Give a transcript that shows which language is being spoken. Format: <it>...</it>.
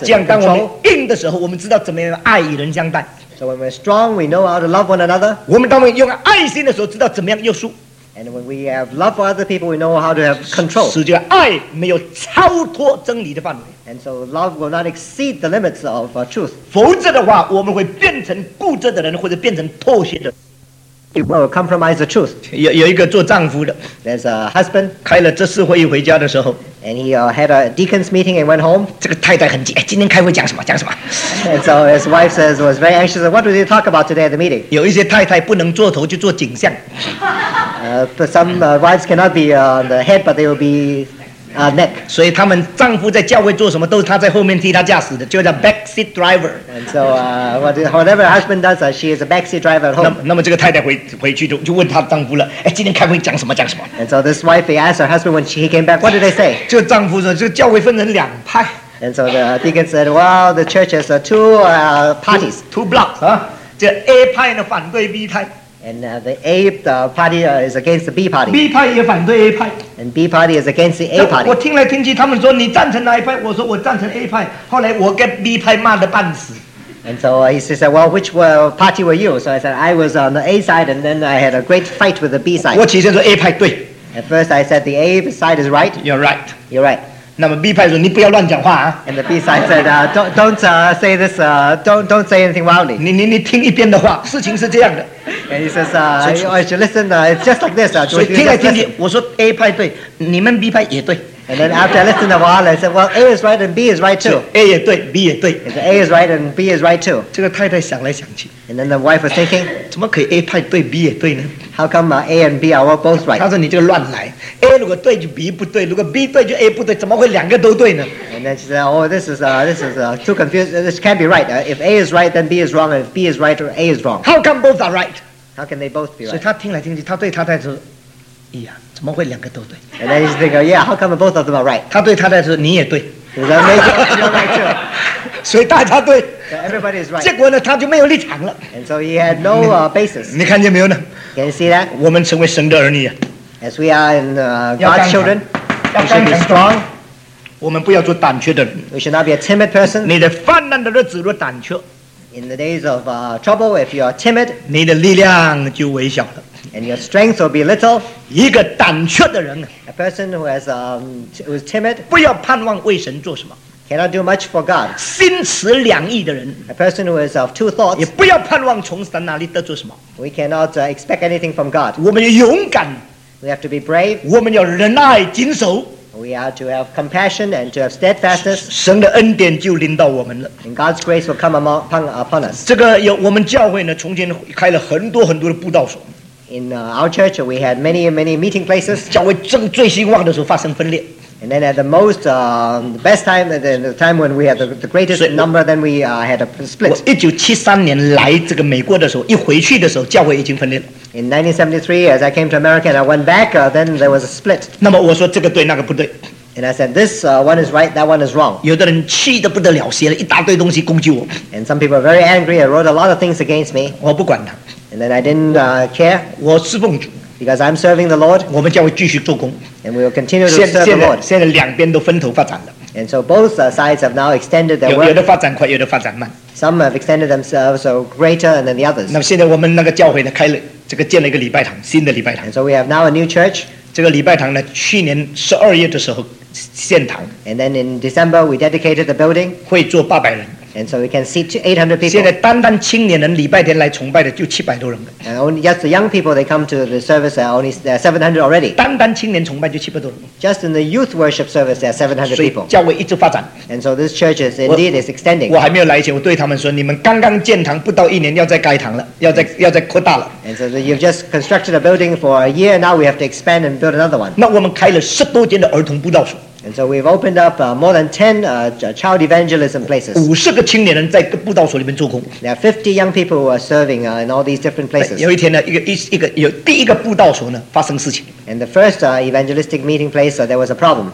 <zh>这样，当我们硬的时候，我们知道怎么样爱与人相待。</zh> <en>So when we're strong, we know how to love one another.</en> <zh>我们当我们用爱心的时候，知道怎么样约束。</zh> <en>And when we have love for other people, we know how to have control.</en> <zh>使这个爱没有超脱真理的范围。</zh> <en>And so love will not exceed the limits of truth.</en> <zh>否则的话，我们会变成固执的人，或者变成妥协的人。</zh> <en>Well, compromise the truth.</en> <zh>有一个做丈夫的</zh> <en>，There's a husband.</en> <zh>开了执事会议回家的时候</zh> <en>，And he had a deacon's meeting and went home.</en> <zh>这个太太很急，哎，今天开会讲什么？讲什么</zh> <en>？And so his wife says was very anxious. What did he talk about today at the meeting?</en> <zh>有一些太太不能做头就做颈项。</zh> <en>But some wives cannot be on the head, but they will be neck.</en> <zh>所以他们丈夫在教会做什么，都是她在后面替他驾驶的，就叫</zh> <en>back seat driver. And so whatever her husband does, she is a back seat driver at home.</en> <zh>那么这个太太回去就问她丈夫了，哎，今天开会讲什么？</zh> <en>And so this wife, he asked her husband when he came back, what did they say?</en> <zh>这个丈夫说，这个教会分成两派。</zh> <en>And so the deacon said, well, the church has two parties, two blocks,</en> <zh>这 A 派呢反对 B 派。</zh> <en>And the A party is against the B party.</en> <zh>B 派也反对 A 派。</zh> <en>And B party is against the A party.</en> <zh>我听来听去，他们说你赞成哪一派？我说我赞成 A 派。后来我跟 B 派骂得半死。</zh> <en>And so he said, "Well, which party were you?" So I said, "I was on the A side, and then I had a great fight with the B side." 我起先说 A 派对。 At first, I said the A side is right. You're right. You're right.</en> <zh>那么 B 派说你不要乱讲话啊。</zh> <en>And the B side said, "Don't say this. Don't say anything wildly."</en> <zh>你听一边的话，事情是这样的。</zh> <en>And he says, I should listen, it's just like this.</en> <zh>所以听来听去，我说 A 派对，你们 B 派也对。</zh> <en>And then after I listened a while, I said, well, A is right and B is right too.</en> <zh>A 也对 ，B 也对。</zh> <en>And A is right and B is right too.</en> <zh>这个太太想来想去。</zh> <en>And then the wife was thinking,</en> <zh>怎么可以 A 派对 ，B 也对呢</zh> <en>？How come A and B are both right?</en> <zh>她说你这个乱来。 A 如果对就 B 不对，如果 B 对就 A 不对，怎么会两个都对呢</zh> <en>？And then she said, oh, this is too confused. This can't be right. If A is right, then B is wrong. If B is right, A is wrong. How come both are right? How can they both be right?</en> <zh>所以他听来听去，他对他太太说：“哎呀，怎么会两个都对</zh> <en>？”And then he's thinking, "Yeah, how come both of them are right?"</en> <zh>他对他太太说：“你也对。</zh> <en>”You're right too.</en> <zh>所以大家对。</zh> <en>Everybody is right.</en> <zh>结果呢，他就没有立场了。</zh> <en>And so he had no basis.</en> <zh>你看见没有呢</zh> <en>？Can you see that?</en> <zh>我们成为神的儿女啊。</zh> <en>As we are in God's children, we should be strong.</en> <zh>我们不要做胆怯的人。</zh> <en>We should not be a timid person.</en> <zh>你的泛滥的日子若胆怯。</zh> <en>In the days of trouble, if you are timid,</en> <zh>你的力量就微小了</zh> <en>and your strength will be little.</en> <zh>一个胆怯的人</zh> <en>a person who has who is timid,</en> <zh>不要盼望为神做什么</zh> <en>cannot do much for God.</en> <zh>心持两意的人</zh> <en>a person who is of two thoughts,</en> <zh>也不要盼望从神那里得做什么</zh> <en>we cannot expect anything from God.</en> <zh>我们要勇敢</zh> <en>we have to be brave.</en> <zh>我们要忍耐谨守</zh> <en>we are to have compassion and to have steadfastness.</en> <zh>神的恩典就临到我们了。</zh> <en>And God's grace will come upon us.</en> <zh>这个有我们教会呢，从前开了很多很多的布道所。</zh> <en>In our church, we had many many meeting places.</en> <zh>教会正最兴旺的时候发生分裂。</zh> <en>And then at the most, the best time, the time when we had the greatest number, then we had a split.</en> <zh>我1973年来这个美国的时候，一回去的时候，教会已经分裂了。</zh> <en>In 1973, as I came to America and I went back, then there was a split.</en> <zh>那么我说这个对，那个不对。</zh> <en>And I said, this one is right, that one is wrong.</en> <zh>有的人气得不得了，写了一大堆东西攻击我。</zh> <en>And some people are very angry and wrote a lot of things against me.</en> <zh>我不管他。</zh> <en>And then I didn't care.</en> <zh>我侍奉主。</zh> <en>Because I'm serving the Lord.</en> <zh>我们将会继续做工。</zh> <en>And we will continue to serve the Lord.</en> <zh>现在两边都分头发展了。</zh> <en>And so both sides have now extended their work.</en> <zh>有的发展快，有的发展慢。</zh> <en>Some have extended themselves so greater than the others.</en> <zh>那么现在我们那个教会呢，开了这个建了一个礼拜堂，新的礼拜堂。</zh> <en>And so we have now a new church.</en> <zh>这个礼拜堂呢，去年12月的时候。</zh> <en>And then in December, we dedicated the building.</en> <zh>会坐800人。</zh> <en>And so we can see 800 people.</en> <zh>现在单单青年人礼拜天来崇拜的就700多人。</zh> <en>And only just the young people, they come to the service, there are only 700 already.</en> <zh>单单青年崇拜就700多人。</zh> <en>Just in the youth worship service, there are 700 people.</en> <zh>教会一直发展。</zh> <en>And so this church is indeed is extending.</en> <zh>我还没有来前，我对他们说，你们刚刚建堂不到一年，要再扩大了。</zh> <en>And so you've just constructed a building for a year, now we have to expand and build another one.</en> <zh>那我们开了10多间的儿童布道所。</zh> <en>And so we've opened up more than 10 child evangelism places.</en> <zh>50个青年人在布道所里面做工。</zh> <en>There are 50 young people who are serving in all these different places.</en> <zh>有一天呢，一个布道所呢发生事情。</zh> <en>And the first evangelistic meeting place, there was a problem.</en>